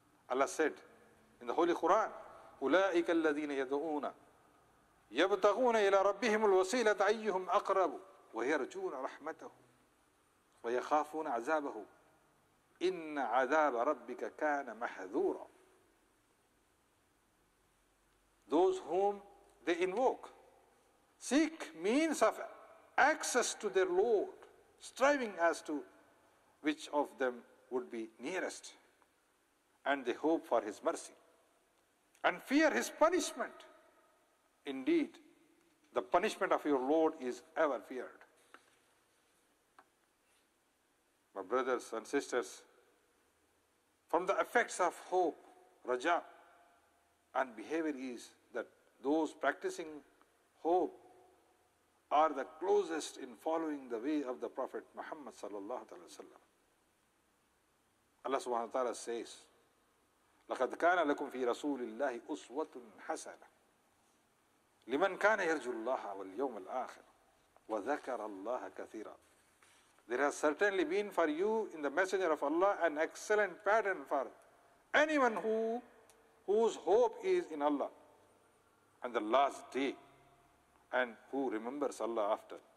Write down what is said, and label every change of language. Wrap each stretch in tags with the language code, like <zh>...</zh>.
<en>Allah said in the Holy Quran,</en> <ar>أولئك الذين يدعون يبتغون إلى ربهم الوسيلة أيهم أقرب ويرجون رحمته ويخافون عذابه إن عذاب ربك كان محذورا.</ar> <en>Those whom they invoke seek means of access to their Lord, striving as to which of them would be nearest, and they hope for his mercy and fear his punishment. Indeed, the punishment of your Lord is ever feared. My brothers and sisters, from the effects of hope, raja, and behavior is that those practicing hope are the closest in following the way of the Prophet Muhammad sallallahu alaihi wasallam. Allah subhanahu wa ta'ala says,</en> <ar>لقد كان لكم في رسول الله أسوة حسنة لمن كان يرجو الله واليوم الآخر وذكر الله كثيرا.</ar> <en>There has certainly been for you in the Messenger of Allah an excellent pattern for anyone whose hope is in Allah and the last day and who remembers Allah after.</en>